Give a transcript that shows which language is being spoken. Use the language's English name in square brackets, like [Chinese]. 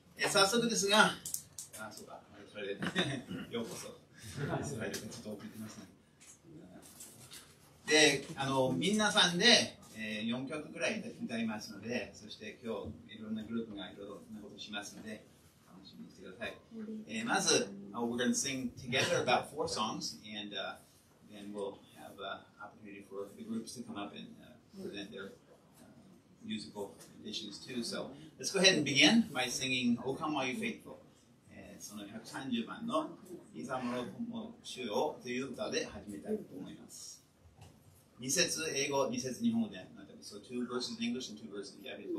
[Japanese] 早速ですが、そうか、それでようこそ。ちょっと遅れてますね。で、みんなさんで、4曲ぐらい歌いますので、そして今日いろんなグループがいろいろなことしますので楽しみにしてください。 [English] まず、we're going to sing together about four songs, and then we'll have opportunity for the groups to come up and present their musical additions too. So let's go ahead and begin by singing O Come All You Faithful. [Japanese] その130番のいざもろとも主よという歌で始めたいと思います。 2節英語、2節日本語で。 [English] So two verses in English and two verses in Japanese.